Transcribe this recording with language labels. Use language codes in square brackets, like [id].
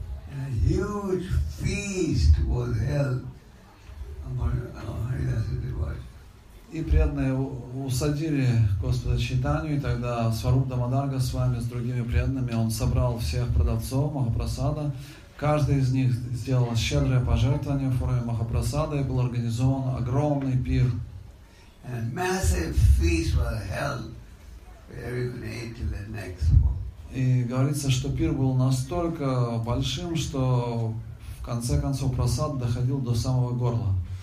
[en] And a huge feast was held among Haridasa devotees. [ru] И преданные усадили Господа Чайтанью, и тогда Сваруп Дамодарга с вами, с другими преданными, он собрал всех продавцов Махапрасада. Каждый из них сделал щедрое пожертвование в форме Махапрасада, и был организован огромный пир. [en] And a massive feast was held for everyone to eat till the next morning. [ru] И говорится, что пир был настолько большим, что в конце концов просад доходил до самого горла.